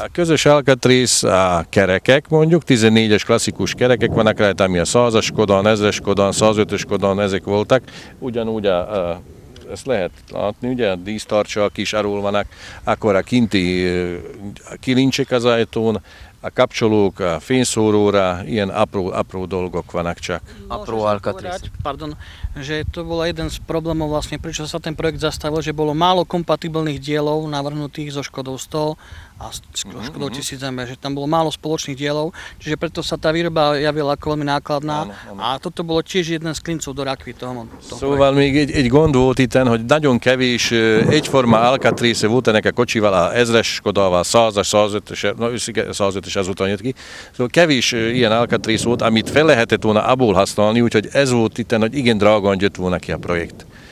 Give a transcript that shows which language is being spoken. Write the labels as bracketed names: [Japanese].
[Hungarian] A közös alkatrész a kerekek, mondjuk, 14-es klasszikus kerekek vannak rajta, ami a 100-as Skodan, 1000-es Skodan, 105-es Skodan, ezek voltak. Ugyanúgy ezt lehet látni, ugye, a dísztarcsak is arról vannak, akkor a kinti kilincsek az ajtón, a kapcsolók, a fényszóróra, ilyen apró dolgok vannak csak. Apró alkatrész. [Slovak] Pardon, že to bola jeden z problémov vlastne, prečo sa ten projekt zastavil, že bolo málo kompatibilných dielov navrhnutých so Škodou 100 a Škodou 1000 MB, že tam bolo málo spoločných dielov, čiže preto sa tá výroba javila ako veľmi nákladná a toto bolo tiež jeden z klincov do rakvy toho [Hungarian] Szóval projektu. Még egy gond volt itten, hogy nagyon kevés egyforma alkatrésze volt ennek a kocsival, a 1000-es Škodával, 100-as, 105-es, no, 105-es azután jött ki. Szóval kevés ilyen alkatrész volt, amit fel lehetett volna abból használni, úgyhogy ez volt itten, hogy igen drágán jött volna ki a projekt.